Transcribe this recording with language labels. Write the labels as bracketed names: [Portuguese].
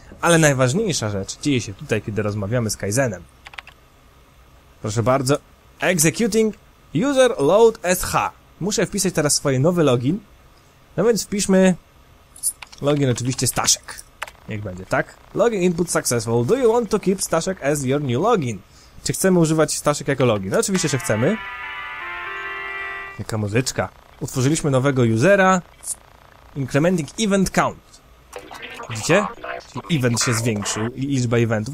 [Polish] Ale najważniejsza rzecz dzieje się tutaj, kiedy rozmawiamy z Kaizenem. Proszę bardzo. [English] Executing User Load SH. [Polish] Muszę wpisać teraz swoje nowy login. No więc wpiszmy login oczywiście Staszek. Niech będzie, tak? [English] Login input successful. Do you want to keep Staszek as your new login? [Polish] Czy chcemy używać Staszek jako login? No oczywiście, że chcemy. Jaka muzyczka. Utworzyliśmy nowego usera. [English] Incrementing event count. [Polish] Widzicie? Event się zwiększył i liczba eventów.